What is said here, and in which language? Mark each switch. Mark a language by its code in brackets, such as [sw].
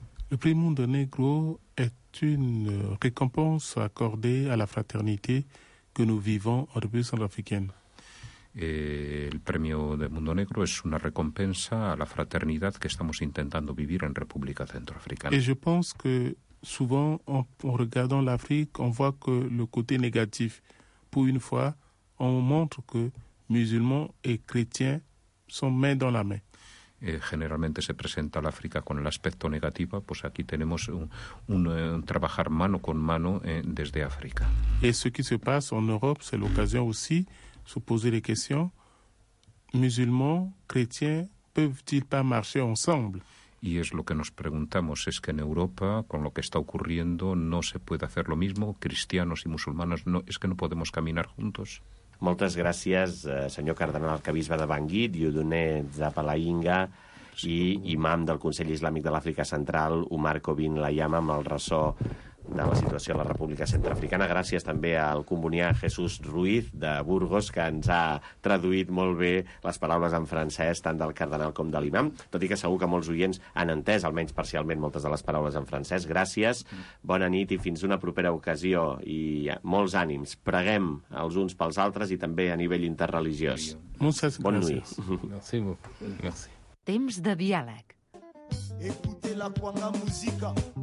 [fr] Le prix Mundo Negro est une récompense accordée à la fraternité que nous vivons en République centrafricaine. [es] El premio de Mundo Negro es una recompensa a la fraternidad que estamos intentando vivir en República Centroafricana. [fr] Et je pense que souvent, en regardant l'Afrique, on voit que le côté négatif. Pour une fois, on montre que musulmans et chrétiens sont main dans la main. [es] Generalmente se presenta l'Afrique con el aspecto negativo, pues aquí tenemos un trabajar mano con mano desde África. [fr] Et ce qui se passe en Europe, c'est l'occasion aussi de se poser les questions. Musulmans, chrétiens, peuvent-ils pas marcher ensemble? [es] Y es lo que nos preguntamos, es que en Europa, con lo que está ocurriendo, no se puede hacer lo mismo, cristianos y musulmanes, no, es que no podemos caminar juntos. [ca] Moltes gràcies, senyor cardenal arquebisbe de Bangui, Diodonné Zapalainga, sí, i imam del Consell Islàmic de l'Àfrica Central, Omar Kobin Layama, amb el ressò de la situació a la República Centroafricana. Gràcies també al comunià Jesús Ruiz de Burgos, que ens ha traduït molt bé les paraules en francès, tant del cardenal com de l'imam, tot i que segur que molts oients han entès, almenys parcialment, moltes de les paraules en francès. Gràcies, bona nit i fins una propera ocasió. I molts ànims. Preguem els uns pels altres i també a nivell interreligiós. Moltes gràcies. [fr] Bon nuit. Merci beaucoup. Merci. [ca] Temps de diàleg. [fr] Écoutez la cuanga música.